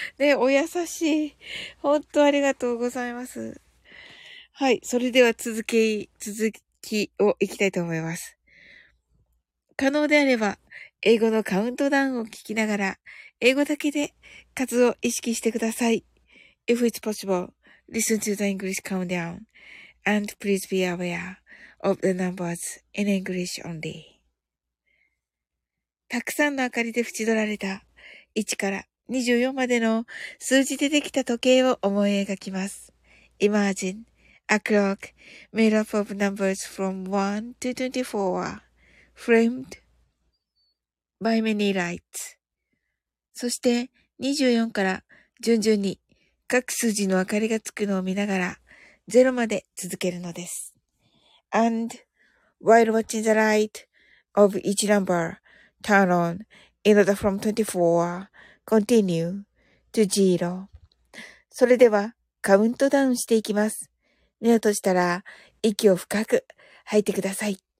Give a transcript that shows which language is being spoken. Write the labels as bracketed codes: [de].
[ja] ね、お優しい。ほんとありがとうございます。はい。それでは続きをいきたいと思います。可能であれば、英語のカウントダウンを聞きながら、英語だけで数を意識してください。 [en] If it's possible, listen to the English countdown and please be aware of the numbers in English only. [ja] たくさんの明かりで縁取られた1から24までの数字でできた時計を思い描きます。 [en] Imagine. A clock made up of numbers from 1 to 24, framed by many lights. [ja] そして24から順々に各数字の明かりがつくのを見ながら、ゼロまで続けるのです。 [en] And while watching the light of each number turn on in order from 24, continue to zero. [ja] それでは、カウントダウンしていきます。目を閉じたら、息を深く吐いてください。